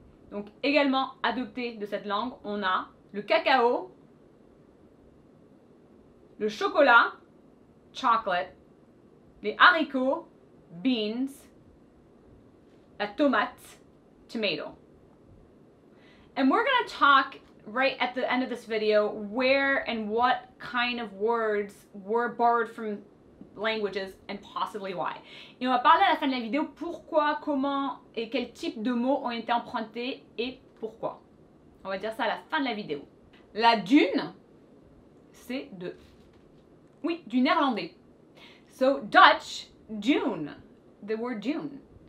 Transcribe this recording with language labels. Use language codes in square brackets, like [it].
[fr] Donc, également adopté de cette langue, on a le cacao, le chocolat, chocolate, les haricots, beans, la tomate, tomato. [en] And we're going to talk right at the end of this video where and what kind of words were borrowed from languages and possibly why. [fr] Et on va parler à la fin de la vidéo pourquoi, comment et quel type de mots ont été empruntés et pourquoi. On va dire ça à la fin de la vidéo. La dune, c'est de... Oui, du néerlandais. [en] So, Dutch, dune. The word dune.